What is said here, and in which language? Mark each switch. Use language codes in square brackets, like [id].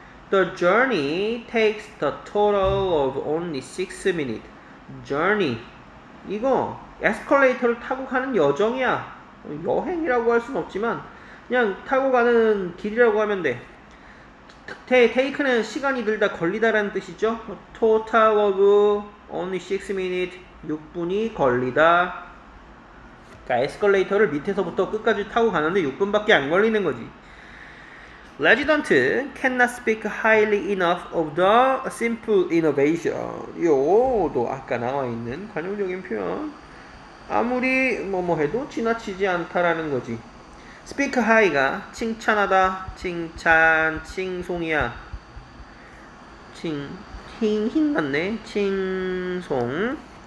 [en] The journey takes the total of only 6 minutes. Journey. [ko] 이거 에스컬레이터를 타고 가는 여정이야. 여행이라고 할순 없지만 그냥 타고 가는 길이라고 하면 돼. Take는 시간이 들다 걸리다라는 뜻이죠. [en] Total of only 6 minutes. [ko] 6분이 걸리다. 그러니까 에스컬레이터를 밑에서부터 끝까지 타고 가는데 6분밖에 안 걸리는 거지. [en] Resident cannot speak highly enough of the simple innovation. [ko] 요도 아까 나와 있는 관용적인 표현. 아무리 뭐뭐 해도 지나치지 않다라는 거지. [en] Speak high [ko] 가 칭찬하다, 칭찬, 칭송이야. 힘 났네. 칭송.